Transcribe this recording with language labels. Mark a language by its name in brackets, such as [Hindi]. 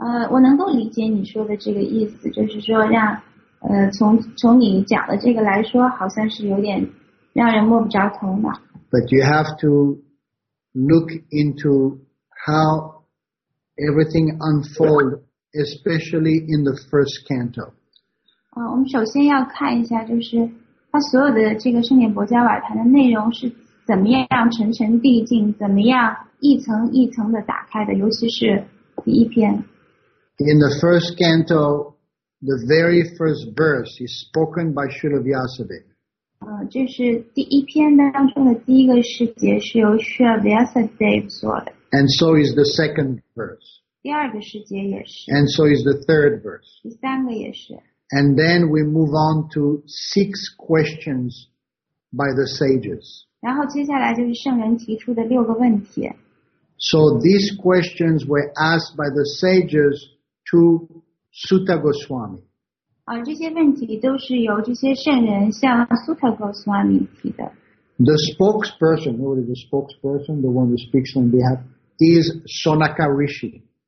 [Chinese] 我能够理解你说的这个意思，就是说让从你讲的这个来说，好像是有点让人摸不着头脑。 [English] But you have to look into how everything unfold, especially in the first canto. [Chinese] 我们首先要看一下，就是它所有的这个圣典薄伽瓦坛的内容是怎么样层层递进，怎么样一层一层的打开的，尤其是第一篇。 [English] In the first canto, the very first verse is spoken by Srila Vyasadeva. [Chinese] 这是第一篇当中的第一个诗节是由 Srila Vyasadeva 说的。 [English] And so is the second verse. [Chinese] 第二个诗节也是。 [English] And so is the third verse. [Chinese] 第三个也是。 [English] And then we move on to six questions by the sages. [Chinese] 然后接下来就是圣人提出的六个问题。 [English] So these questions were asked by the sages to Sutta Goswami. [Chinese] 这些问题都是由这些圣人向 Sutta Goswami 提的。 [English] The spokesperson, who is the spokesperson, the one who speaks on behalf, is Sonaka Rishi.